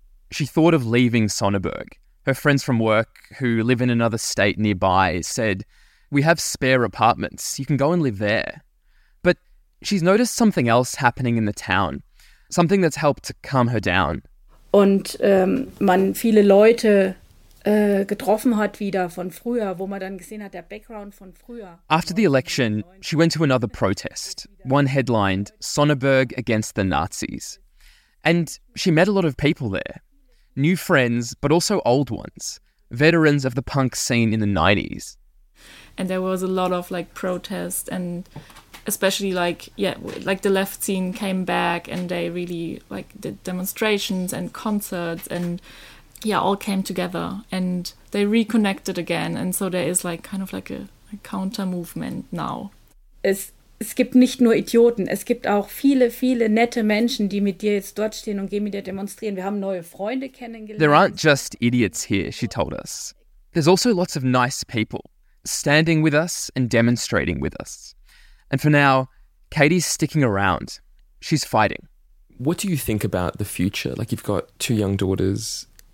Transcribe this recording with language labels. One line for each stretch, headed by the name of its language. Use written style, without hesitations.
English: She thought of leaving Sonneberg. Her friends from work, who live in another state nearby, said, we have spare apartments, you can go and live there. But she's noticed something else happening in the town, something that's helped to calm her down.
German: Und man viele Leute getroffen hat wieder von früher, wo man dann gesehen hat, der Background von früher.
English: After the election, she went to another protest, one headlined Sonneberg against the Nazis. And she met a lot of people there. New friends, but also old ones. Veterans of the punk scene in the 90s. And there was a lot of like protest, and especially like, yeah, like the left scene came back and they really like did demonstrations and concerts and yeah, all came together and they reconnected again. And so there is like kind of like a counter movement now.
German: Es gibt nicht nur Idioten, es gibt auch viele, viele nette Menschen, die mit dir jetzt dort stehen und gehen mit dir demonstrieren. Wir haben neue Freunde kennengelernt.
English: There aren't just idiots here, she told us. There's also lots of nice people standing with us and demonstrating with us. And for now, Katie's sticking around. She's fighting. What do you think about the future? Like, you've got two young daughters.